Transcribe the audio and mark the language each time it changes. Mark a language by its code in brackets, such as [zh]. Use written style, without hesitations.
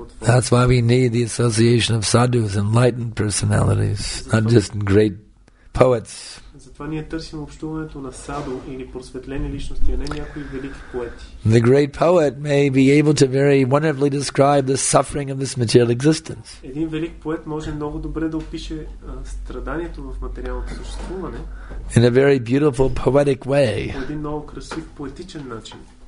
[en] That's why we need the association of sadhus, enlightened personalities, not just great poets. [bg] Това ние търсим общуването на саду или просветлени личности, а не някои велики поети. [en] The great poet may be able to very wonderfully describe the suffering of this material existence. [bg] Един велик поет може много добре да опише страданието в материалното съществуване. [en] In a very beautiful poetic way. [bg] По един много красив поетичен начин.